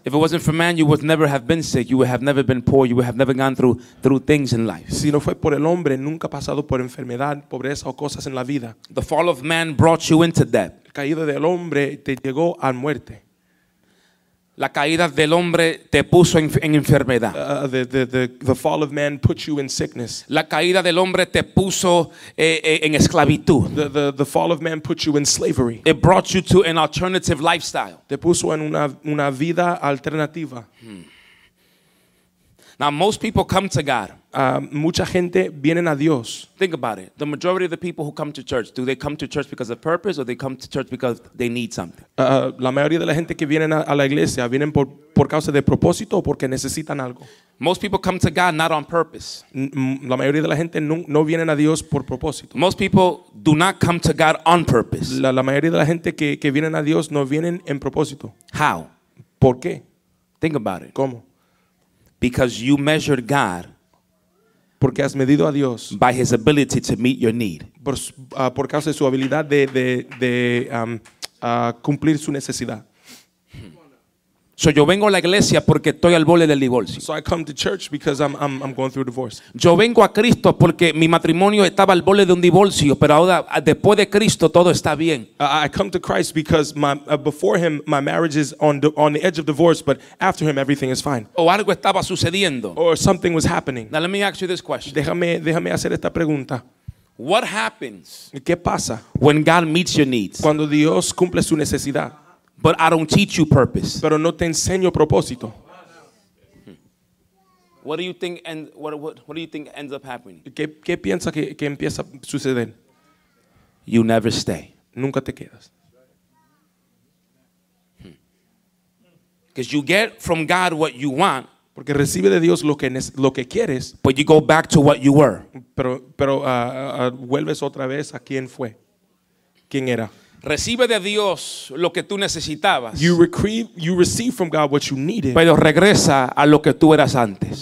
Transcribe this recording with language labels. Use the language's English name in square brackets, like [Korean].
[English] If it wasn't for man, you would never have been sick. You would have never been poor. You would have never gone through things in life. [Spanish] Si no fue por el hombre, nunca pasado por enfermedad, pobreza o cosas en la vida. [English] The fall of man brought you into debt. [Spanish] Caída del hombre te llegó a muerte. La caída del hombre te puso en enfermedad. [English] The fall of man put you in sickness. [Spanish] La caída del hombre te puso en esclavitud. [English] The fall of man put you in slavery. It brought you to an alternative lifestyle. [Spanish] Te puso en una vida alternativa. [English] Now most people come to God. [Spanish] Mucha gente vienen a Dios. [English] Think about it. The majority of the people who come to church, do they come to church because of purpose or they come to church because they need something? [Spanish] La mayoría de la gente que vienen a la iglesia vienen por causa de propósito o porque necesitan algo. [English] Most people come to God not on purpose. [Spanish] La mayoría de la gente no vienen a Dios por propósito. [English] Most people do not come to God on purpose. [Spanish] La mayoría de la gente que vienen a Dios no vienen en propósito. [English] How? [Spanish] ¿Por qué? [English] Think about it. [Spanish] ¿Cómo? [English] Because you measured God. [Spanish] Porque has medido a Dios. [English] By his ability to meet your need. [Spanish] Por causa de su habilidad de cumplir su necesidad. So yo vengo a la iglesia porque estoy al borde del divorcio. [English] So I come to church because I'm going through a divorce. [Spanish] Yo vengo a Cristo porque mi matrimonio estaba al borde de un divorcio, pero ahora después de Cristo todo está bien. [English] I come to Christ because before him my marriage is on the edge of divorce, but after him everything is fine. [Spanish] O algo estaba sucediendo. [English] Or something was happening. Now let me ask you this question. [Spanish] Déjame hacer esta pregunta. [English] What happens? [Spanish] ¿Qué pasa? [English] When God meets your needs. [Spanish] Cuando Dios cumple su necesidad. [English] But I don't teach you purpose. [Spanish] Pero no te enseño propósito. [English] What do you think? And what do you think ends up happening? [Spanish] ¿Qué piensa que empieza a suceder? [English] You never stay. [Spanish] Nunca te quedas. [English] Because you get from God what you want. [Spanish] Porque recibe de Dios lo que quieres. [English] But you go back to what you were. [Spanish] Pero vuelves otra vez a quién fue, quién era. Recibe de Dios lo que tú necesitabas. [English] You receive from God what you needed. [Spanish] Pero regresa a lo que tú eras antes.